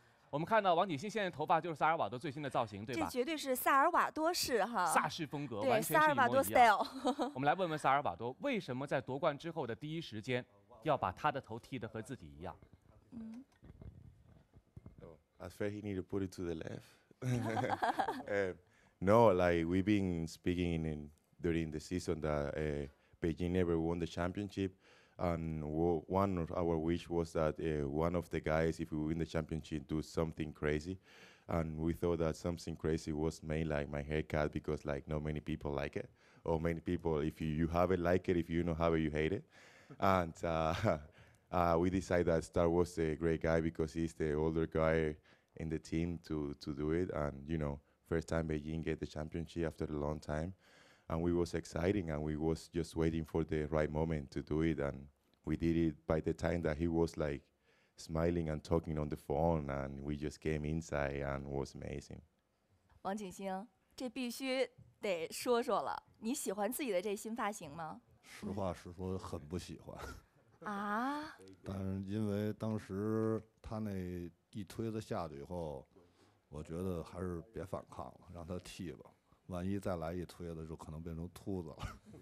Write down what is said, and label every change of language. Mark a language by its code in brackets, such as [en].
[zh] 我们看到王景欣现在头发就是萨尔瓦多最新的造型，对吧？这绝对是萨尔瓦多式哈，萨式风格，对，萨尔瓦多 style。我们来问问萨尔瓦多，为什么在夺冠之后的第一时间要把他的头剃得和自己一样？ [en] I feel he need to put it to the left. No, like we've been speaking in during the season that Beijing never won the championship, and one of our wish was that one of the guys, if we win the championship, do something crazy, and we thought that something crazy was made like my haircut, because like not many people like it, or many people, if you have it, like it, if you don't have it, you hate it, and we decided that Star was a great guy because he's the older guy in the team to do it, and you know. First time Beijing get the championship after a long time, and we was exciting, and we was just waiting for the right moment to do it, and we did it by the time that he was like smiling and talking on the phone, and we just came inside and was amazing. [zh] 王景星，这必须得说说了，你喜欢自己的这新发型吗？实话实说，很不喜欢。啊？但因为当时他那一推子下去以后。我觉得还是别反抗了，让他剃吧，万一再来一推的就可能变成秃子了。